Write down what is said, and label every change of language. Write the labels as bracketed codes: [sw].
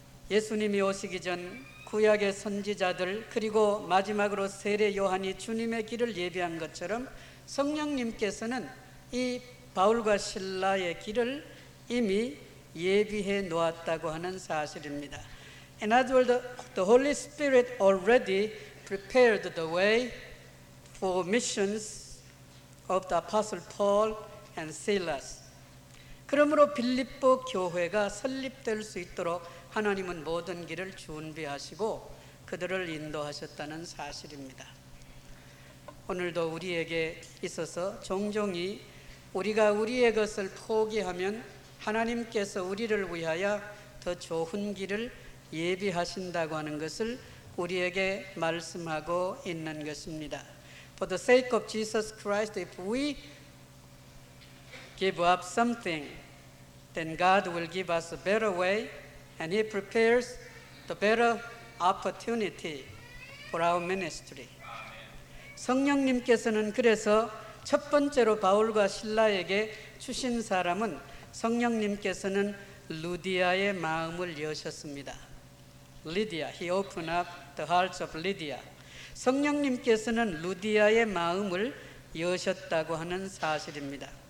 [ko] 예수님이 오시기 전 구약의 선지자들 그리고 마지막으로 세례 요한이 주님의 길을 예비한 것처럼 성령님께서는 이 바울과 실라의 길을 이미 예비해 놓았다고 하는 사실입니다. [en] In other words, the Holy Spirit already prepared the way for missions of the Apostle Paul and Silas. [ko] 그러므로 빌립보 교회가 설립될 수 있도록 하나님은 모든 길을 준비하시고 그들을 인도하셨다는 사실입니다. 오늘도 우리에게 있어서 종종이 우리가 우리의 것을 포기하면 하나님께서 우리를 위하여 더 좋은 길을 예비하신다고 하는 것을 우리에게 말씀하고 있는 것입니다. [en] For the sake of Jesus Christ, if we give up something, then God will give us a better way and He prepares the better opportunity for our ministry. [ko] 성령님께서는 그래서 첫 번째로 바울과 실라에게 주신 사람은 성령님께서는 루디아의 마음을 여셨습니다. [en] Lydia, he opened up the hearts of Lydia. [ko] 성령님께서는 루디아의 마음을 여셨다고 하는 사실입니다.